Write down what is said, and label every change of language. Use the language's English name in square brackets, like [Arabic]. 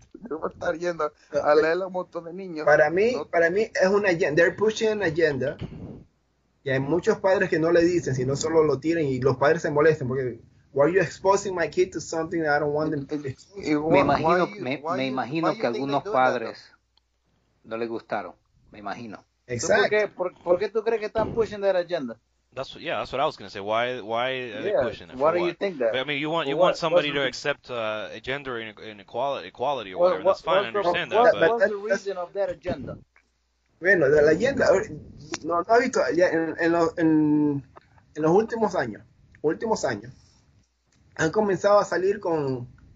[Spanish] Yo voy a estar yendo a leer a un montón de niños. Para mí es una agenda. [English] They're pushing an agenda. [Spanish] Y hay muchos padres que no le dicen, sino solo lo tiran y los padres se molestan porque... [English] Why are you exposing my kid to something that I don't want them to expose? [Spanish] Me imagino que algunos padres no le gustaron. Me imagino. [English] Exactly. [Spanish] ¿Por qué tú crees que están [English] pushing that agenda? That's what I was going to say. Why are they pushing it? Why do you think that? But, I mean, you want somebody to accept gender inequality or whatever. That's fine. I understand that. What's the reason of that agenda? [Spanish] Bueno, de la agenda. No, no he visto en los últimos años. Han comenzado a salir con